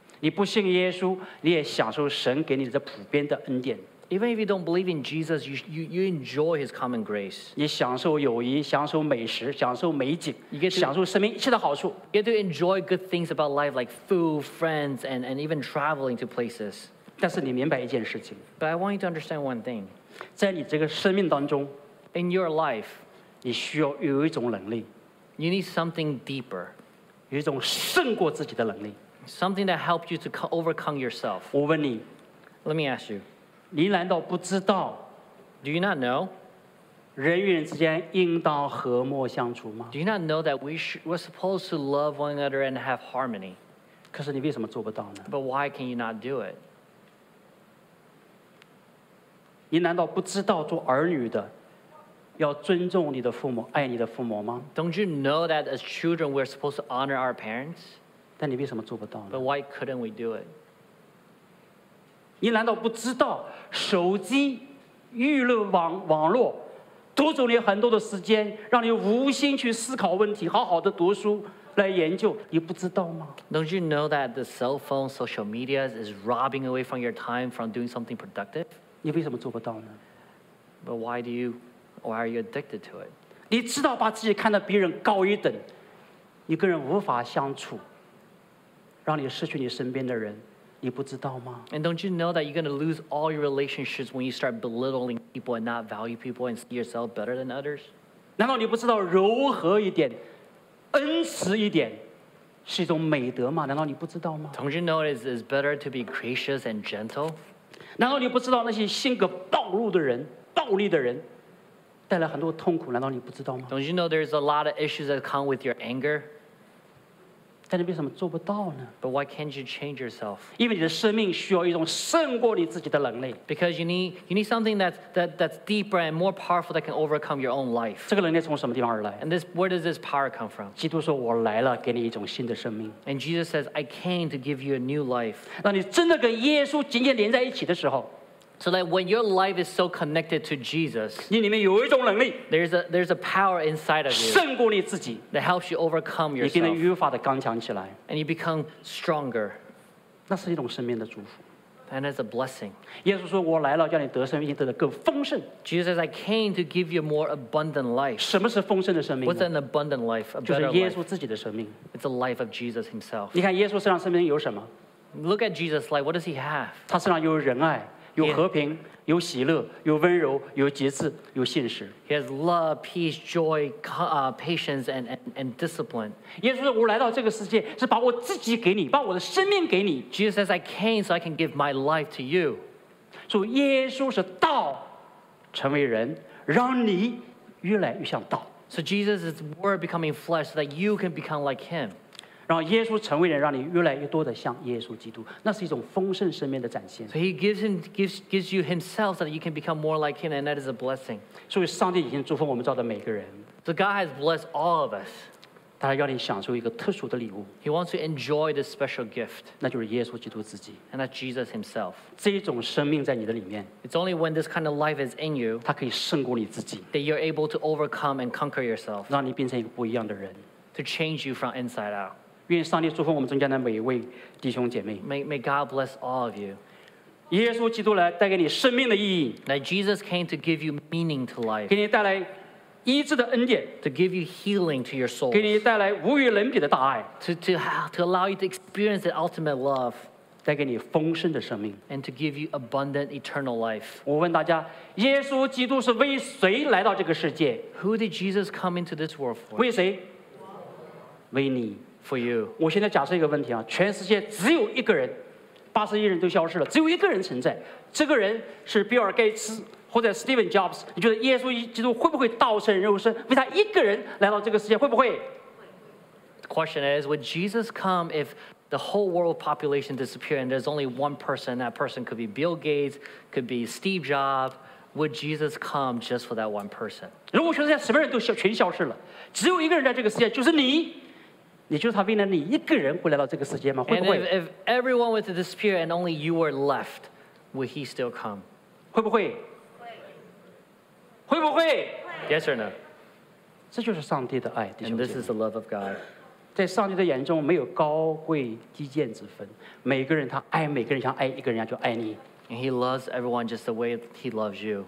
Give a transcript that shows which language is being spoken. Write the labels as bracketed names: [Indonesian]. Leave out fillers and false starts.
[Chinese] 你不信耶稣，你也享受神给你的普遍的恩典。 [English] Even if you don't believe in Jesus, you enjoy his common grace. [Chinese] 你享受友谊，享受美食，享受美景，你 [English] get to, [Chinese] 享受生命一切的好处。 [English] You get to enjoy good things about life like food, friends, and even traveling to places. [Chinese] 但是你明白一件事情。 [English] But I want you to understand one thing. [Chinese] 在你这个生命当中， [English] In your life, [Chinese] 你需要有一种能力。 [English] You need something deeper. [Chinese] 有一种胜过自己的能力。 [English] Something that helps you to overcome yourself. [Chinese] 我问你。 [English] Let me ask you. [Chinese] 你难道不知道 [English] Do you not know? [Chinese] 人与人之间应当和睦相处吗？ [English] Do you not know that we're supposed to love one another and have harmony? [Chinese] 可是你为什么做不到呢？ [English] But why can you not do it? [Chinese] 你难道不知道做儿女的要尊重你的父母，爱你的父母吗？ [English] Don't you know that as children we're supposed to honor our parents? [Chinese] 但你为什么做不到呢？ [English] But why couldn't we do it? [Chinese] 你难道不知道手机娱乐网络夺走你很多的时间，让你无心去思考问题，好好的读书来研究，你不知道吗？ [English] Don't you know that the cell phone social media is robbing away from your time from doing something productive? [Chinese] 你为什么做不到呢？ [English] But why are you addicted to it? [Chinese] 你知道把自己看得比人高一等，你跟人无法相处，让你失去你身边的人，你不知道吗？ [English] And don't you know that you're going to lose all your relationships when you start belittling people and not value people and see yourself better than others? [Chinese] 难道你不知道柔和一点，恩慈一点，是一种美德吗？难道你不知道吗？ [English] Don't you know it's better to be gracious and gentle? [Chinese] 难道你不知道那些性格暴露的人，暴力的人，带来很多痛苦，难道你不知道吗？ [English] Don't you know there's a lot of issues that come with your anger? [Chinese] 但你为什么做不到呢？ [English] But why can't you change yourself? [Chinese] 因为你的生命需要一种胜过你自己的能力。 [English] Because you need something that's deeper and more powerful that can overcome your own life. [Chinese] 这个能力从什么地方而来？ [English] And where does this power come from? [Chinese] 基督说我来了，给你一种新的生命。 [English] And Jesus says, I came to give you a new life. [Chinese] 当你真的跟耶稣紧紧连在一起的时候。 [English] So that when your life is so connected to Jesus, [Chinese] 你里面有一种能力， [English] there's a power inside of you [Chinese] 胜过你自己， [English] that helps you overcome yourself. [Chinese] 你变得愈发的刚强起来， [English] and you become stronger. [Chinese] 那是一种生命的祝福， [English] and as a blessing. [Chinese] 耶稣说, 我来了, 叫你得生, 已经得得更丰盛。 [English] Jesus says, I came to give you more abundant life. [Chinese] 什么是丰盛的生命呢? [English] What's an abundant life? A better life? [Chinese] 就是耶稣自己的生命。 [English] It's the life of Jesus himself. [Chinese] 你看耶稣身上生命有什么? [English] Look at Jesus' life, what does he have? [Chinese] 他身上有仁爱, 有和平, 有喜乐, 有温柔, 有节制, 有信实。 [English] He has love, peace, joy, patience, and discipline. [Chinese] 耶稣说我来到这个世界, 是把我自己给你, 把我的生命给你。 [English] Jesus says, I came so I can give my life to you. [Chinese] 所以耶稣是道, 成为人, 让你越来越像道。 [English] So Jesus is word becoming flesh so that you can become like him. [Chinese] 然后耶稣成为人, 让你越来越多的像耶稣基督, 那是一种丰盛生命的展现。 [English] So he gives you himself so that you can become more like him, and that is a blessing. [Chinese] 所以上帝已经祝福我们造的每个人。 [English] So God has blessed all of us. [Chinese] 他要你享受一个特殊的礼物。 [English] He wants to enjoy this special gift. [Chinese] 那就是耶稣基督自己。 [English] And that's Jesus himself. [Chinese] 这种生命在你的里面。 [English] It's only when this kind of life is in you. [Chinese] 他可以胜过你自己。 [English] That you're able to overcome and conquer yourself. [Chinese] 让你变成一个不一样的人。 [English] To change you from inside out. [Chinese] 愿上帝祝福我们中间的每一位弟兄姐妹。 [English] May God bless all of you. [Chinese] 耶稣基督来带给你生命的意义。 [English] That Jesus came to give you meaning to life. [Chinese] 给你带来医治的恩典。 [English] To give you healing to your soul. [Chinese] 给你带来无与伦比的大爱。 [English] To allow you to experience the ultimate love. [Chinese] 带给你丰盛的生命。 [English] And to give you abundant eternal life. [Chinese] 我问大家, 耶稣基督是为谁来到这个世界? [English] Who did Jesus come into this world for? [Chinese] 为谁?为你。 [English] For you. [Chinese] 我现在假设一个问题啊, 全世界只有一个人, 81人都消失了, 只有一个人存在, 这个人是比尔盖茨, 或者Steven Jobs, 你觉得耶稣基督会不会道成肉身, 为他一个人来到这个世界, 会不会? [English] The question is, would Jesus come if the whole world population disappeared and there's only one person, that person could be Bill Gates, could be Steve Jobs, would Jesus come just for that one person? [Chinese] 如果全世界什么人都全消失了, 只有一个人在这个世界, 就是你, 你就是他为了你一个人会来到这个世界吗? [English] And if everyone was to disappear and only you were left, would he still come? [Chinese] 会不会?会不会? [English] Yes or no? [Chinese] 这就是上帝的爱, 弟兄姐妹。 [English] And this is the love of God. [Chinese] 在上帝的眼中没有高贵低贱之分, 每个人他爱每个人像爱一个人一样就爱你。 [English] And he loves everyone just the way he loves you.